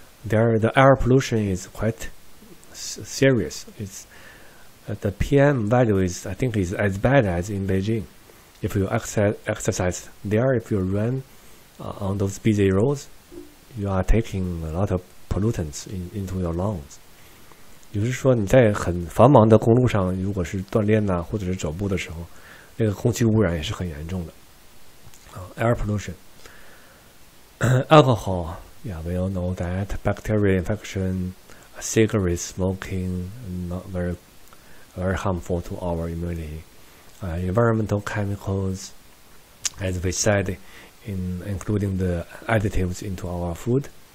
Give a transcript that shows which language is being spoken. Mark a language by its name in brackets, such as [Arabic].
[English] There, the air pollution is quite serious. It's, the PM value is, I think, is as bad as in Beijing. If you exercise there, if you run on those busy roads, you are taking a lot of pollutants into your lungs. [Chinese] 也就是说，你在很繁忙的公路上，如果是锻炼呐，或者是走步的时候，那个空气污染也是很严重的。 [English] Air pollution, alcohol. Yeah, we all know that bacterial infection, cigarette smoking, not very, very harmful to our immunity. Environmental chemicals, as we said, including the additives into our food.